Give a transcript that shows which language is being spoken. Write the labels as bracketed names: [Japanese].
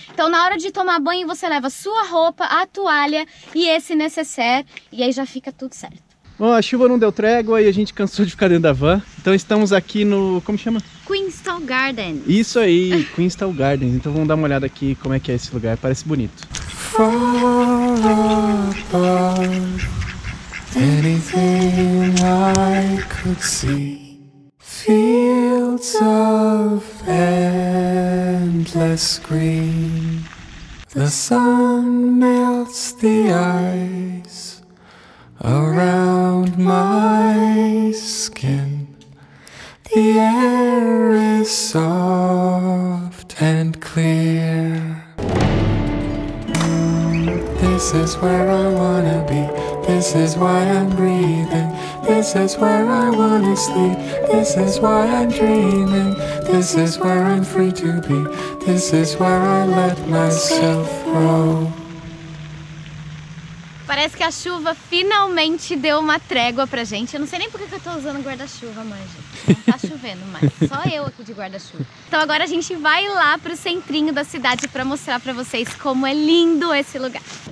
[Portuguese] Então na hora de tomar banho você leva sua roupa, a toalha e esse necessaire, e aí já fica tudo certo. Bom, a chuva não deu trégua e a gente cansou de ficar dentro da van, então estamos aqui no, como chama? Queenstown Gardens. Isso aí, Queenstown Gardens. Então vamos dar uma olhada aqui como é que é esse lugar, parece bonito. [English] Far above anything I could see, fields of endless green, the sun melts the ice around my skin, the air is soft and clear. This is where I wanna be, this is why I'm breathing, this is where I wanna sleep, this is why I'm dreaming, this is where I'm free to be, this is where I let myself roam. [Portuguese] Parece que a chuva finalmente deu uma trégua pra gente. Eu não sei nem porque que eu tô usando guarda-chuva, mas não tá chovendo mais. Só eu aqui de guarda-chuva. Então agora a gente vai lá pro centrinho da cidade pra mostrar pra vocês como é lindo esse lugar.